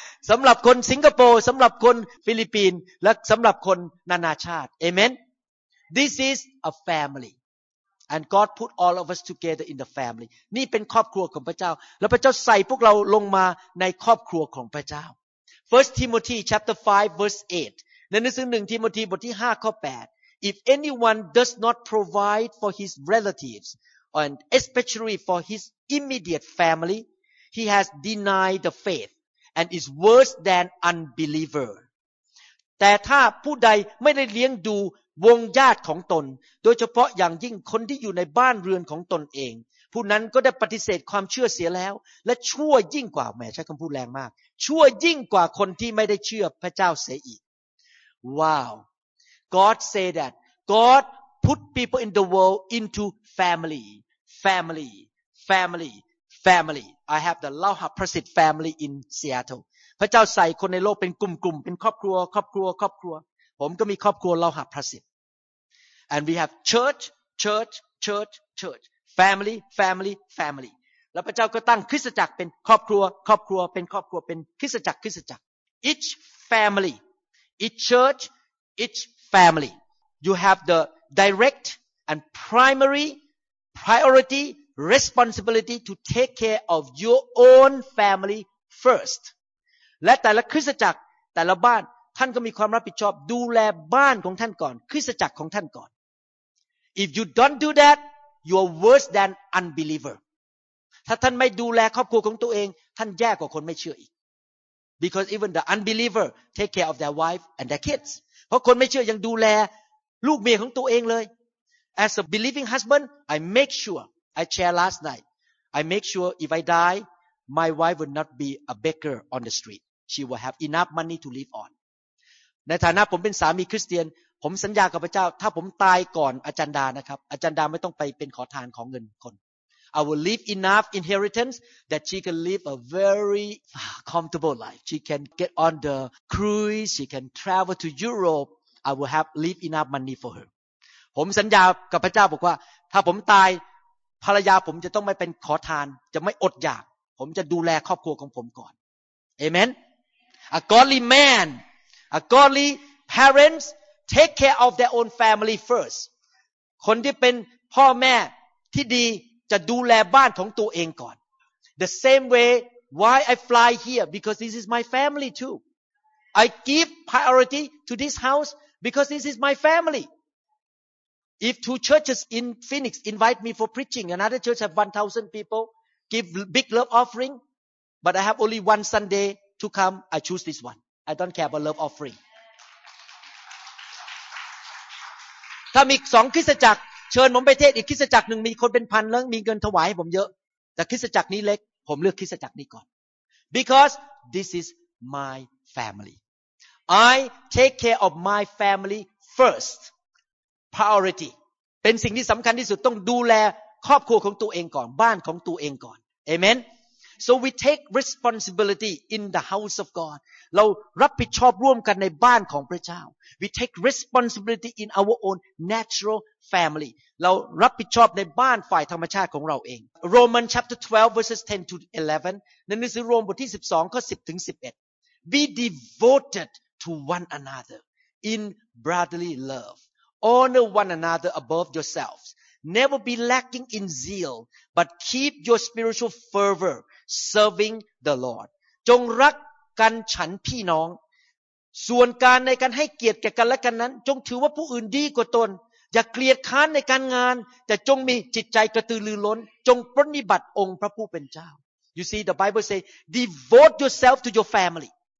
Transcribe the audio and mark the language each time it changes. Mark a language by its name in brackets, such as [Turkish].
[Thai] สำหรับคนสิงคโปร์สำหรับคนฟิลิปปินส์และสำหรับคนนานาชาติ Amen. [English] This is a family. And God put all of us together in the family. [Thai] นี่เป็นครอบครัวของพระเจ้าและพระเจ้าใส่พวกเราลงมาในครอบครัวของพระเจ้า [English] 1 Timothy chapter 5 verse 8. [Thai] ในหนังสือ1ทิโมธีบทที่5ข้อ8 [English] If anyone does not provide for his relativesAnd especially for his immediate family, he has denied the faith and is worse than unbeliever. [Thai] แต่ถ้าผู้ใดไม่ได้เลี้ยงดูวงญาติของตนโดยเฉพาะอย่างยิ่งคนที่อยู่ในบ้านเรือนของตนเองผู้นั้นก็ได้ปฏิเสธความเชื่อเสียแล้วและชั่วยิ่งกว่าแหมใช้คำพูดแรงมากชั่วยิ่งกว่าคนที่ไม่ได้เชื่อพระเจ้าเสียอีก [English] Wow, God say that God put people in the world into family. Family, family, family. I have the Lauhaprasit family in Seattle. [Thai] พระเจ้าใส่คนในโลกเป็นกลุ่มๆเป็นครอบครัวครอบครัวครอบครัวผมก็มีครอบครัว Lauhaprasit. [English] And we have church, church, church, church. Family, family, family. [Thai] แล้วพระเจ้าก็ตั้งคริสตจักรเป็นครอบครัวครอบครัวเป็นครอบครัวเป็นคริสตจักรคริสตจักร [English] Each family, each church, each family. You have the direct and primaryPriority, responsibility to take care of your own family first. [Thai] และแต่ละคริสตจักรแต่ละบ้านท่านก็มีความรับผิดชอบดูแลบ้านของท่านก่อนคริสตจักรของท่านก่อน [English] If you don't do that, you are worse than unbeliever. [Thai] ถ้าท่านไม่ดูแลครอบครัวของตัวเองท่านแย่กว่าคนไม่เชื่ออีก [English] Because even the unbeliever take care of their wife and their kids. [Thai] เพราะคนไม่เชื่อยังดูแลลูกเมียของตัวเองเลย [English] As a believing husband, I make sure, I share last night, I make sure if I die, my wife will not be a beggar on the street. She will have enough money to live on. [Thai] ในฐานะผมเป็นสามีคริสเตียนผมสัญญากับพระเจ้าถ้าผมตายก่อนอาจารย์ดานะครับอาจารย์ดาไม่ต้องไปเป็นขอทานของเงินคน [English] I will leave enough inheritance that she can live a very comfortable life. She can get on the cruise, she can travel to Europe. I will have leave enough money for her [Thai] ผมสัญญากับพระเจ้าบอกว่าถ้าผมตายภรรยาผมจะต้องไม่เป็นขอทานจะไม่อดอยากผมจะดูแลครอบครัวของผมก่อนเอเมน [English] A godly man a godly parents take care of their own family first [Thai] คนที่เป็นพ่อแม่ที่ดีจะดูแลบ้านของตัวเองก่อน [English] The same way why I fly here because this is my family too I give priority to this house because this is my familyIf two churches in Phoenix invite me for preaching, another church have 1,000 people, give big love offering, but I have only one Sunday to come, I choose this one. I don't care about love offering. [Thai] ถ้ามีสองคริสตจักรเชิญผมไปเทศอีกคริสตจักรหนึ่งมีคนเป็นพันแล้วมีเงินถวายให้ผมเยอะแต่คริสตจักรนี้เล็กผมเลือกคริสตจักรนี้ก่อน [English] Because this is my family. I take care of my family first. Priority [Thai] เป็นสิ่งที่สำคัญที่สุดต้องดูแลครอบครัวของตัวเองก่อนบ้านของตัวเองก่อนเอเมน [English] So we take responsibility in the house of God. [Thai] เรารับผิดชอบร่วมกันในบ้านของพระเจ้า [English] We take responsibility in our own natural family. [Thai] เรารับผิดชอบในบ้านฝ่ายธรรมชาติของเราเอง [English] Romans chapter 12 verses 10 to 11. [Thai] ในหนังสือโรมบทที่12ข้อ10ถึง11 [English] Be devoted to one another in brotherly love. Honor one another above yourselves. Never be lacking in zeal, but keep your spiritual fervor serving the Lord. [Thai] จงรักกันฉันพี่น้องส่วนการในการให้เกียรติแก่กันและกันนั้นจงถือว่าผู้อื่นดีกว่าตนอย่าเกลียดค้านในการงานแต่จงมีจิตใจกระตือรือร้นจงปรนิบัติองค์พระผู้เป็นเจ้า [English] You see the Bible say devote yourself to your family.